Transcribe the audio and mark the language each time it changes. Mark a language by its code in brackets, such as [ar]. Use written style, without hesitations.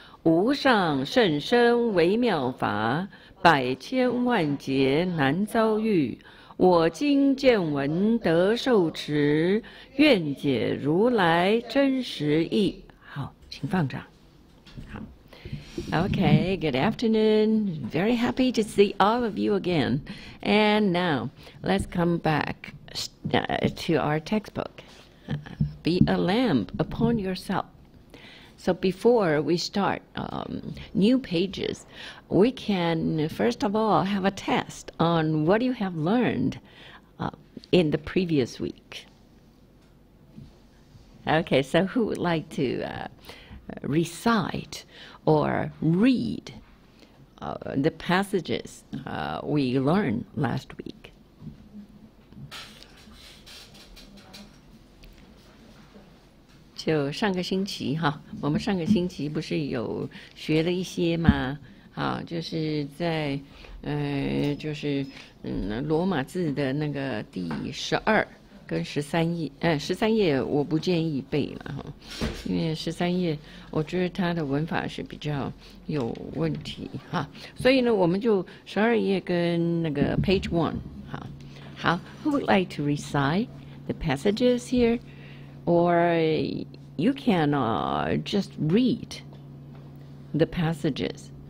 [zh] 无上甚深微妙法，百千万劫难遭遇，我今见闻得受持，愿解如来真实义。好，请放掌。 [en] Okay, good afternoon. Very happy to see all of you again. And now, let's come back to our textbook. Be a lamp upon yourself. So before we start new pages, we can first of all have a test on what you have learned in the previous week. Okay, so who would like to recite or read the passages we learned last week? [zh] 跟十三页，十三页我不建议背了，因为十三页我觉得它的文法是比较有问题哈，所以呢，我们就十二页跟那个 page one 哈。 [en] 好 ，Who would like to recite the passages here, or you can just read the passages?